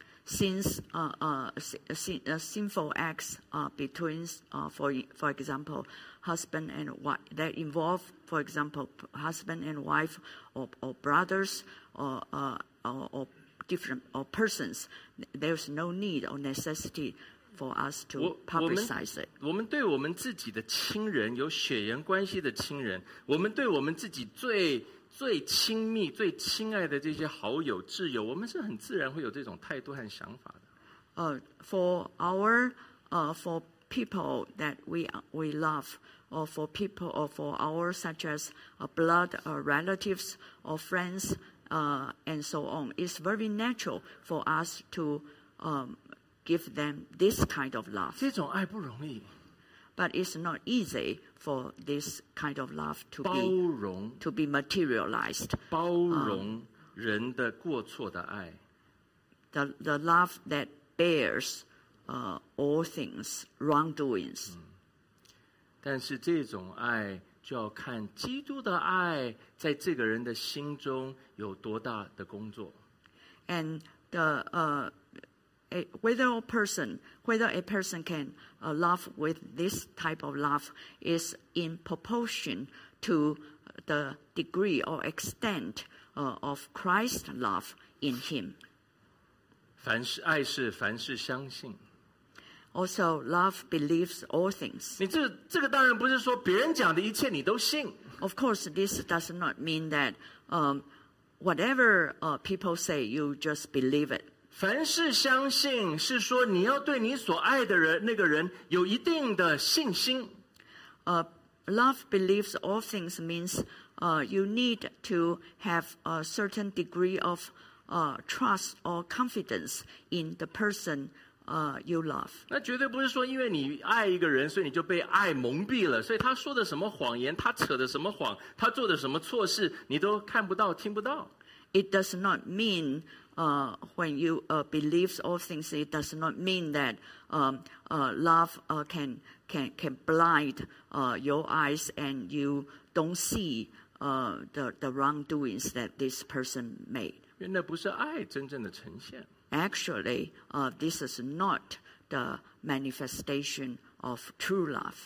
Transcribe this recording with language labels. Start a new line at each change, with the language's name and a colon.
English: sinful acts between, for example, husband and wife, that involve, for example, husband and wife, or brothers, or different or persons, there's no need or necessity for us to publicize it.
Chinese: 我们对我们自己的亲人，有血缘关系的亲人，我们对我们自己最亲密、最亲爱的这些好友、挚友，我们是很自然会有这种态度和想法的。
English: For people that we love, or for people, or for our such as blood, relatives, or friends, and so on, it's very natural for us to give them this kind of love.
Chinese: 这种爱不容易。
English: But it's not easy for this kind of love to be materialized.
Chinese: 包容人的过错的爱。
English: The love that bears all things, wrongdoings.
Chinese: 但是这种爱就要看基督的爱在这个人的心中有多大的工作。
English: And whether a person can love with this type of love is in proportion to the degree or extent of Christ's love in him.
Chinese: 凡是爱是凡事相信。
English: Also, love believes all things.
Chinese: 你这个当然不是说别人讲的一切你都信。
English: Of course, this does not mean that whatever people say, you just believe it.
Chinese: 凡事相信是说你要对你所爱的人那个人有一定的信心。
English: Love believes all things means you need to have a certain degree of trust or confidence in the person you love.
Chinese: 那绝对不是说因为你爱一个人所以你就被爱蒙蔽了，所以他说的什么谎言，他扯的什么谎，他做的什么错事，你都看不到听不到。
English: It does not mean when you believe all things, it does not mean that love can blind your eyes and you don't see the wrongdoings that this person made.
Chinese: 原来不是爱真正的呈现。
English: Actually, this is not the manifestation of true love.